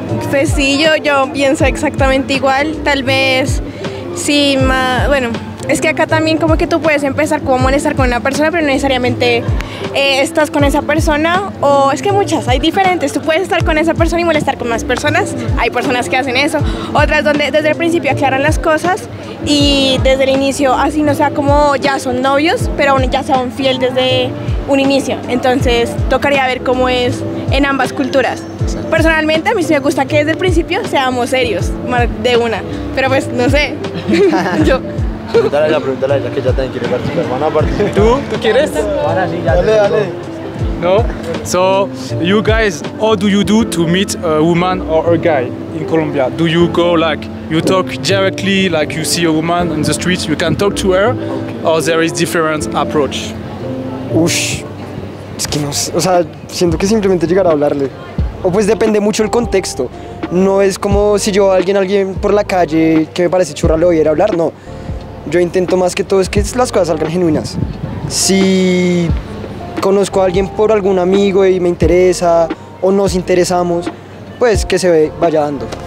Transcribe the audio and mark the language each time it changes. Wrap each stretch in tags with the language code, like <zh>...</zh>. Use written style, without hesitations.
<es>Pues sí, yo pienso exactamente igual, tal vez, sí, bueno, es que acá también como que tú puedes empezar como a molestar con una persona, pero no necesariamente estás con esa persona, o es que muchas, hay diferentes, tú puedes estar con esa persona y molestar con más personas, hay personas que hacen eso, otras donde desde el principio aclaran las cosas, y desde el inicio, así no sea como ya son novios, pero aún ya sea un fiel desde un inicio, entonces tocaría ver cómo es en ambas culturas. Personalmente, a mí sí me gusta que desde el principio seamos serios, más de una. Pero pues, no sé. Yo. Pregúntale a ella, que ya también quiere participar. Van a participar. ¿Tú quieres? Ahora sí, ya. Dale. No?</es> <en>So, you guys, how do you do to meet a woman or a guy in Colombia? Do you go like, you talk directly, like you see a woman in the street, you can talk to her, or there is different approach?</en> <es>Ush. Es que no sé. O sea, siento que simplemente llegar a hablarle. O pues depende mucho el contexto. No es como si yo alguien por la calle que me parece churra le voy a ir a hablar, no. Yo intento más que todo es que las cosas salgan genuinas. Si conozco a alguien por algún amigo y me interesa o nos interesamos, pues que se vaya dando.</es>